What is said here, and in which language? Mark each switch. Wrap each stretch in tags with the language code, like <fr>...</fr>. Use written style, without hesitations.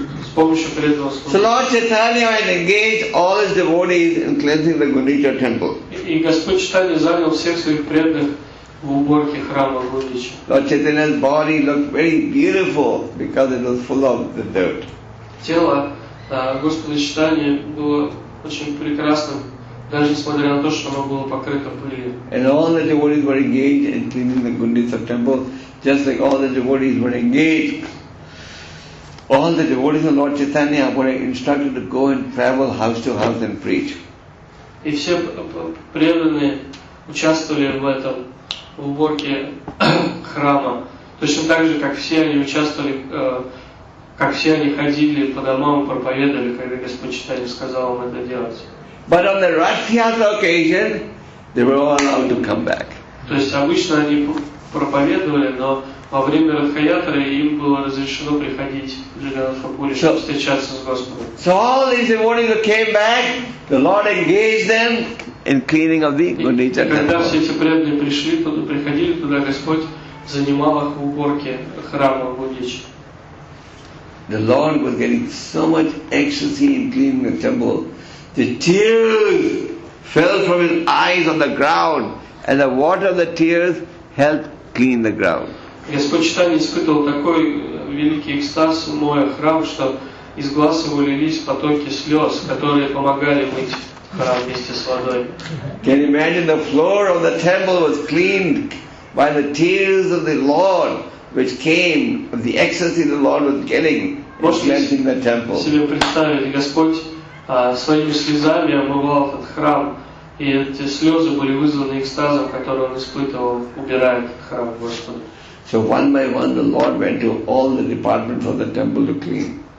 <ru>С помощью преданного служения.</ru> <en>So Lord Chaitanya had engaged all his devotees in cleansing the Gundicha temple.</en> <ru>И Господь Читания занял всех своих преданных в уборке храма Гундича.</ru> <en>Lord Chaitanya's body looked very beautiful because it was full of the dirt.</en> <ru>Тело Господа Читания было очень прекрасным, даже несмотря на то, что оно было покрыто пылью.</ru> <en>And all the devotees were engaged in cleaning the Gundicha temple, just like all the devotees were engaged. All the devotees of Lord Chaitanya were instructed to go and travel house to house and preach.</en> <ru>И все преданные участвовали в этом, в уборке храма. Точно так же, как все они участвовали, как все они ходили по домам и проповедовали, когда Господь Читания сказал им это делать.</ru> <en>But on the Rathyatra occasion, they were all allowed to come back.</en> <ru>То есть обычно они проповедовали, но во время Радхаятры им было разрешено приходить в Джаганатхапури, чтобы встречаться с Господом.</ru> <en>So all these devotees who came back, the Lord engaged them in cleaning of the Gundicha temple.</en> <ru>Когда все эти преданные пришли, приходили туда, Господь занимал их в уборке храма Гундича.</ru> <en>The Lord was getting so much ecstasy in cleaning the temple The tears fell from his eyes on the ground, and the water of the tears helped clean the ground.</en> <ru>Господь Читание испытывал такой великий экстаз, моя храм, что из глаз его лились потоки слез, которые помогали мыть храм вместе с водой.</ru> <en>Can you imagine the floor of the temple was cleaned by the tears of the Lord, which came of the ecstasy the Lord was getting in cleansing the temple.</en> <ru>Можете себе представить, Господь своими слезами омывал этот храм, и эти слезы были вызваны экстазом, который он испытывал, убирая этот храм Господа.</ru> <en>So one by one, the Lord went to all the departments of the temple to clean.</en>